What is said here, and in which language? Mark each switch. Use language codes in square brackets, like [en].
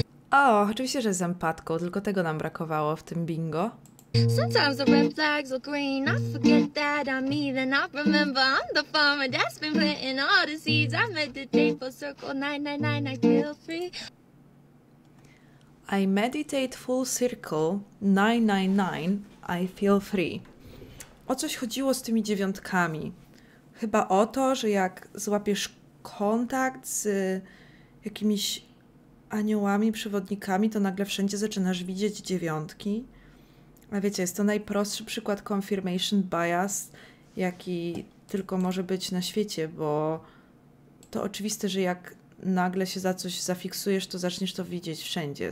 [pl] O, oczywiście, że z empatką, tylko tego nam brakowało w tym bingo. [en] Sometimes the red flags are green, I forget that I'm even, I remember I'm the farmer that's been planting all the seeds, I meditate full circle 999, I feel free. I meditate full circle 999, I feel free. [pl] O coś chodziło z tymi dziewiątkami. Chyba o to, że jak złapiesz kontakt z jakimiś aniołami, przewodnikami, to nagle wszędzie zaczynasz widzieć dziewiątki. A wiecie, jest to najprostszy przykład confirmation bias, jaki tylko może być na świecie, bo to oczywiste, że jak nagle się za coś zafiksujesz, to zaczniesz to widzieć wszędzie.